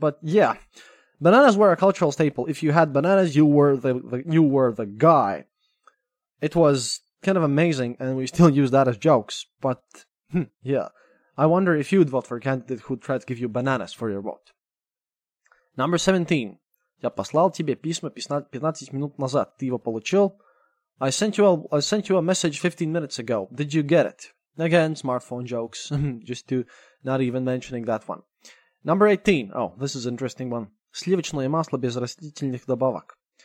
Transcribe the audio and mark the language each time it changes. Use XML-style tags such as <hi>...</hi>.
<en>But yeah, bananas were a cultural staple. If you had bananas, you were the guy. It was kind of amazing, and we still use that as jokes. But yeah, I wonder if you'd vote for a candidate who tried to give you bananas for your vote. Number 17.</en> <ru>Я послал тебе письмо 15 минут назад. Ты его получил?</ru> <en>I sent you a message 15 minutes ago. Did you get it? Again, smartphone jokes, just to not even mentioning that one. Number 18. Oh, this is an interesting one.</en> <ru>Сливочное масло без растительных добавок.</ru>